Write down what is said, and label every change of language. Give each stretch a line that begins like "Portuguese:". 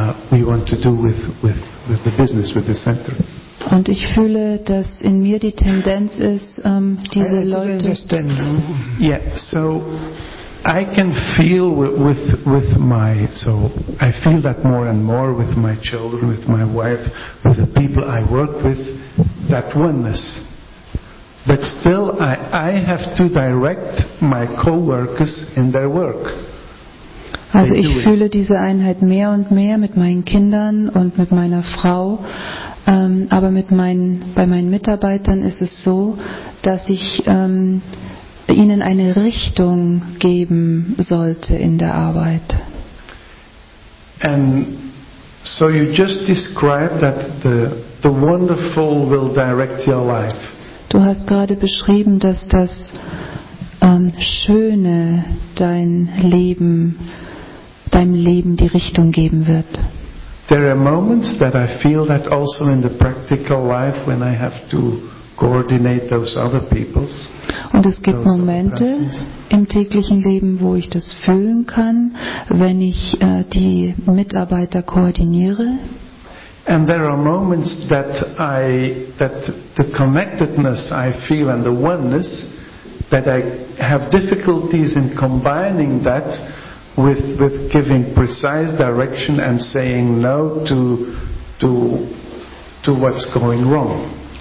English: We want to do with the business with the center.
German: Und ich fühle, dass in mir die Tendenz ist, diese Leute.
English: Yeah, so I can feel with my, so I feel that more and more with my children, with my wife, with the people I work with, that oneness. But still, I have to direct my co-workers in their work.
German: Also ich fühle diese Einheit mehr und mehr mit meinen Kindern und mit meiner Frau. Aber bei meinen Mitarbeitern ist es so, dass ich ihnen eine Richtung geben sollte in der Arbeit.
English: And so you just described that the wonderful will direct your life.
German: Du hast gerade beschrieben, dass das Schöne dein Leben deinem Leben die Richtung geben wird.
English: There are moments that I feel that also in the practical life when I have to coordinate those other people's.
German: Und es gibt Momente im täglichen Leben, wo ich das fühlen kann, wenn ich die Mitarbeiter koordiniere.
English: And there are moments that the connectedness I feel and the oneness that I have difficulties in combining that with giving precise direction and saying no to what's going wrong.